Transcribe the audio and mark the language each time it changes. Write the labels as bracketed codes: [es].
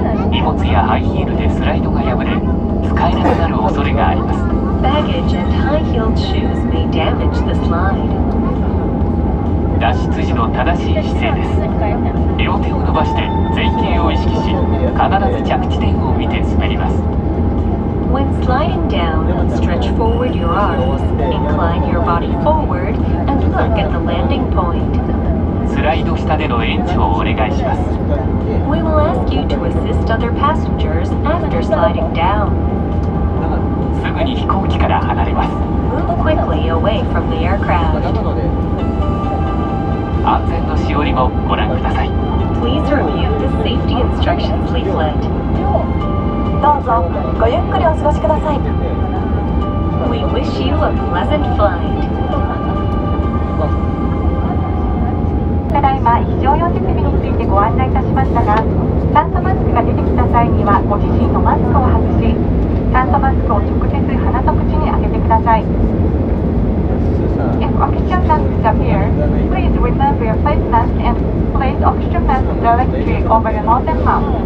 [ja] 荷物やハイヒールでスライドが破れ、使えなくなる恐れがあります。 [en] Baggage and high-heeled shoes may damage the slide. [ja] 脱出時の正しい姿勢です。両手を伸ばして前傾を意識し、必ず着地点を見て滑ります。 [en] When sliding down, stretch forward your arms, incline your body forward, and look at the landing point. [ja] スライド下での援助をお願いします。 [en] We will ask you to assist other passengers after sliding down. [ja] すぐに飛行機から離れます。 [en] Move quickly away from the aircraft. [ja] 安全のしおりもご覧ください。 [en] Please review the safety instructions leaflet. [ja] どうぞ、ごゆっくりお過ごしください。 [en] We wish you a pleasant flight. [ja] ただいま非常用設備についてご案内いたしましたが、酸素マスクが出てきた際にはご自身のマスクを外し、酸素マスクを直接鼻と口に当ててください。 [en] If oxygen masks appear, please remove your face mask and place oxygen mask directly over your nose and mouth.